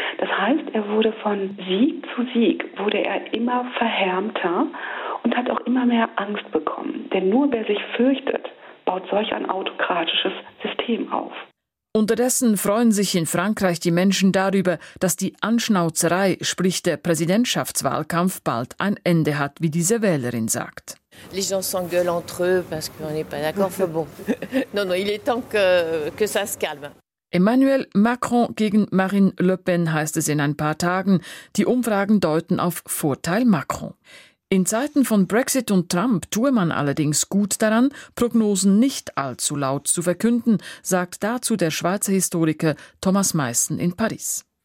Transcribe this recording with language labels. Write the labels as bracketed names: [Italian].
[German] Das heißt, er wurde von Sieg zu Sieg, wurde er immer verhärmter und hat auch immer mehr Angst bekommen. Denn nur wer sich fürchtet, baut solch ein autokratisches System auf. Unterdessen freuen sich in Frankreich die Menschen darüber, dass die Anschnauzerei, sprich der Präsidentschaftswahlkampf, bald ein Ende hat, wie diese Wählerin sagt. [French] Les gens s'engueulent entre eux parce qu'on n'est pas d'accord. Enfin bon. Non, non, il est temps que ça se calme. [German] Emmanuel Macron gegen Marine Le Pen heißt es in ein paar Tagen. Die Umfragen deuten auf Vorteil Macron. In Zeiten von Brexit und Trump tue man allerdings gut daran, Prognosen nicht allzu laut zu verkünden, sagt dazu der Schweizer Historiker Thomas Meissen in Paris.